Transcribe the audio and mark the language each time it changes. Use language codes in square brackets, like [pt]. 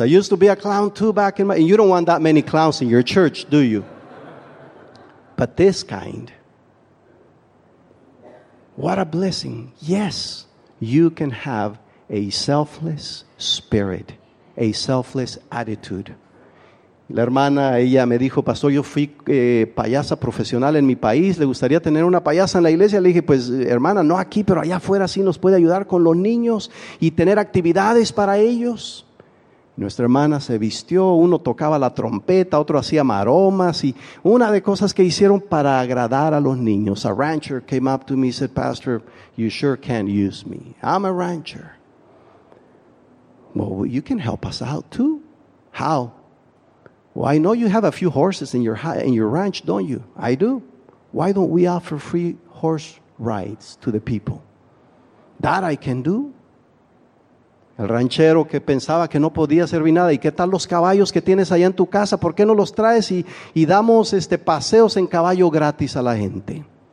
[en] I used to be a clown too back in my... And you don't want that many clowns in your church, do you? But this kind. What a blessing. Yes, you can have a selfless spirit, a selfless attitude. [es] La hermana, ella me dijo, Pastor, yo fui payasa profesional en mi país. ¿Le gustaría tener una payasa en la iglesia? Le dije, pues, hermana, no aquí, pero allá afuera sí nos puede ayudar con los niños y tener actividades para ellos. Nuestra hermana se vistió, uno tocaba la trompeta, otro hacía maromas. Y una de cosas que hicieron para agradar a los niños. [en] A rancher came up to me and said, Pastor, you sure can't use me. I'm a rancher. Well, you can help us out too. How? Well, I know you have a few horses in your ranch, don't you? I do. Why don't we offer free horse rides to the people? That I can do. [es] El ranchero que pensaba que no podía servir nada. ¿Y qué tal los caballos que tienes allá en tu casa? ¿Por qué no los traes y damos paseos en caballo gratis a la gente?